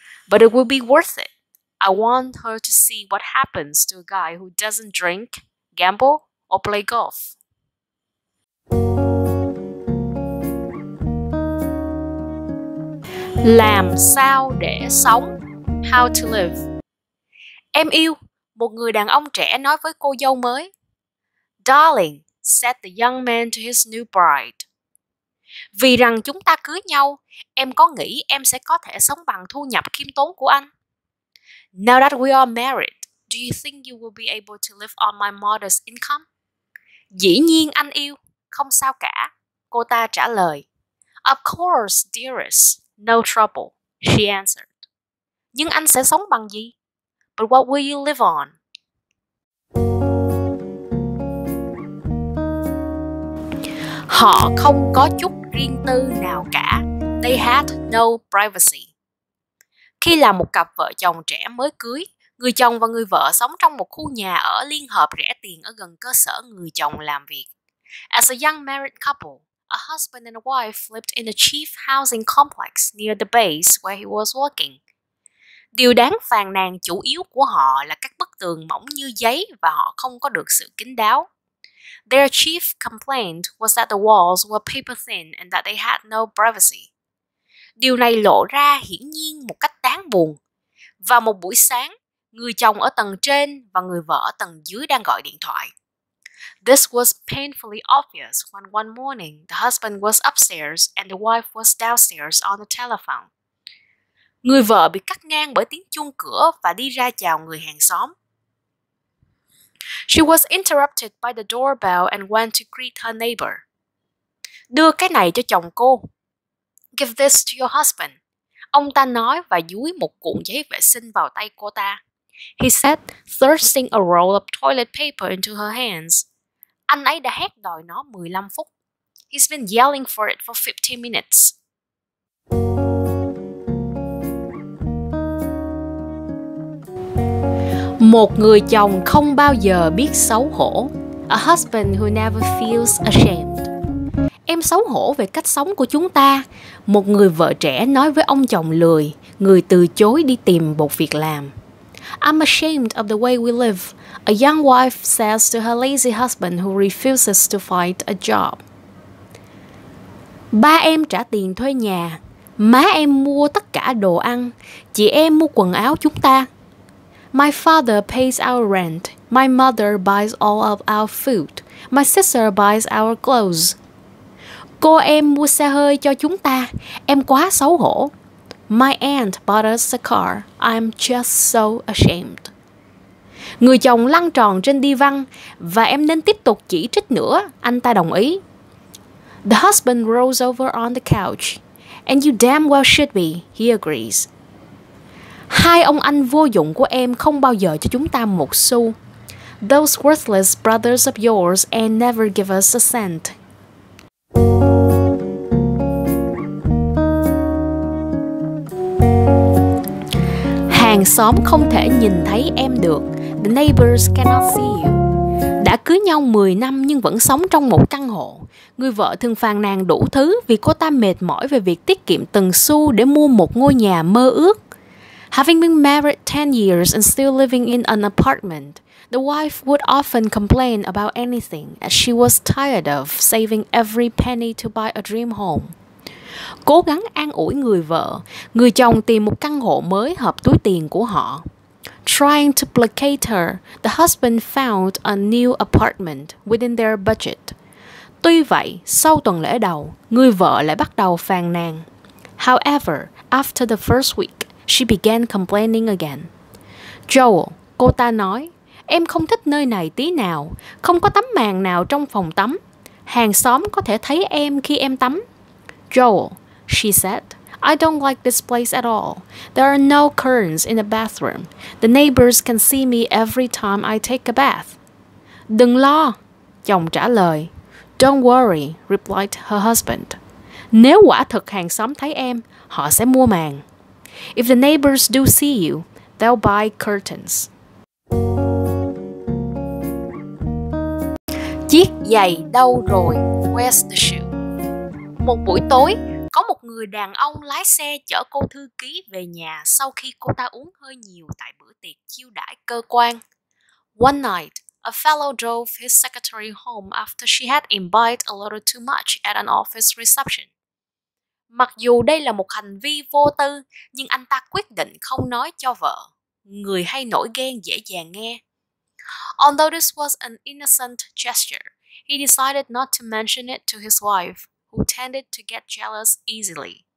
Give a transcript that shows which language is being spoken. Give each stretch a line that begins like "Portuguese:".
English: But it will be worth it. I want her to see what happens to a guy who doesn't drink, gamble, or play golf.
Vietnamese: Làm sao để sống?
English: How to live?
Vietnamese: Em yêu, một người đàn ông trẻ nói với cô dâu mới.
English: Darling, said the young man to his new bride.
Vietnamese: Vì rằng chúng ta cưới nhau, em có nghĩ em sẽ có thể sống bằng thu nhập khiêm tốn của anh?
English: Now that we are married, do you think you will be able to live on my modest income?
Vietnamese: Dĩ nhiên anh yêu, không sao cả, cô ta trả lời.
English: Of course, dearest, no trouble, she answered.
Vietnamese: Nhưng anh sẽ sống bằng gì?
English: But what will you live on?
Vietnamese: Họ không có chút riêng tư nào cả.
English: They had no privacy.
Vietnamese: Khi là một cặp vợ chồng trẻ mới cưới, người chồng và người vợ sống trong một khu nhà ở liên hợp rẻ tiền ở gần cơ sở người chồng làm việc.
English: As a young married couple, a husband and a wife lived in a cheap housing complex near the base where he was working.
Vietnamese: Điều đáng phàn nàn chủ yếu của họ là các bức tường mỏng như giấy và họ không có được sự kín đáo.
English: Their chief complaint was that the walls were paper thin and that they had no privacy.
Vietnamese: Điều này lộ ra hiển nhiên một cách đáng buồn. Vào một buổi sáng, người chồng ở tầng trên và người vợ ở tầng dưới đang gọi điện thoại.
English: This was painfully obvious when one morning the husband was upstairs and the wife was downstairs on the telephone.
Vietnamese: Người vợ bị cắt ngang bởi tiếng chuông cửa và đi ra chào người hàng xóm.
English: She was interrupted by the doorbell and went to greet her neighbor.
Vietnamese: Đưa cái này cho chồng cô.
English: Give this to your husband.
Vietnamese: Ông ta nói và dúi một cuộn giấy vệ sinh vào tay cô ta.
English: He said, thrusting a roll of toilet paper into her hands.
Vietnamese: Anh ấy đã hét đòi nó 15 phút.
English: He's been yelling for it for 15 minutes.
Vietnamese: Một người chồng không bao giờ biết xấu hổ.
English: A husband who never feels ashamed.
Vietnamese: Em em xấu hổ về cách sống của chúng ta. Một người vợ trẻ nói với ông chồng lười, người từ chối đi tìm một việc làm.
English: I'm ashamed of the way we live. A young wife says to her lazy husband who refuses to find a job.
Vietnamese: Ba em trả tiền thuê nhà, má em mua tất cả đồ ăn, chị em mua quần áo chúng ta.
English: My father pays our rent, my mother buys all of our food, my sister buys our clothes.
Vietnamese: Cô em mua xe hơi cho chúng ta, em quá xấu hổ.
English: My aunt bought us a car, I'm just so ashamed.
Vietnamese: Người chồng lăn tròn trên đi văn, và em nên tiếp tục chỉ trích nữa, anh ta đồng ý.
English: The husband rolls over on the couch, and you damn well should be, he agrees.
Vietnamese: Hai ông anh vô dụng của em không bao giờ cho chúng ta một xu.
English: Those worthless brothers of yours and never give us a cent.
Vietnamese: Hàng xóm không thể nhìn thấy em được.
English: The neighbors cannot see you.
Vietnamese: Đã cưới nhau 10 năm nhưng vẫn sống trong một căn hộ. Người vợ thường phàn nàn đủ thứ vì cô ta mệt mỏi về việc tiết kiệm từng xu để mua một ngôi nhà mơ ước.
English: Having been married 10 years and still living in an apartment, the wife would often complain about anything as she was tired of saving every penny to buy a dream home.
Vietnamese: Cố gắng an ủi người vợ, người chồng tìm một căn hộ mới hợp túi tiền của họ.
English: Trying to placate her, the husband found a new apartment within their budget.
Vietnamese: Tuy vậy, sau tuần lễ đầu, người vợ lại bắt đầu phàn nàn.
English: However, after the first week, she began complaining again.
Vietnamese: Joel, cô ta nói, em không thích nơi này tí nào, không có tấm màn nào trong phòng tắm. Hàng xóm có thể thấy em khi em tắm.
English: Joel, she said, I don't like this place at all. There are no curtains in the bathroom. The neighbors can see me every time I take a bath.
Vietnamese: Đừng lo, chồng trả lời.
English: Don't worry, replied her husband.
Vietnamese: Nếu quả thực hàng xóm thấy em, họ sẽ mua màn.
English: If the neighbors do see you, they'll buy curtains.
Vietnamese: Chiếc giày đâu rồi?
English: Where's the shoe?
Vietnamese: Một buổi tối, có một người đàn ông lái xe chở cô thư ký về nhà sau khi cô ta uống hơi nhiều tại bữa tiệc chiêu đãi cơ quan.
English: One night, a fellow drove his secretary home after she had imbibed a little too much at an office reception.
Vietnamese: Mặc dù đây là một hành vi vô tư, nhưng anh ta quyết định không nói cho vợ. Người hay nổi ghen dễ dàng nghe.
English: Although this was an innocent gesture, he decided not to mention it to his wife, who tended to get jealous easily.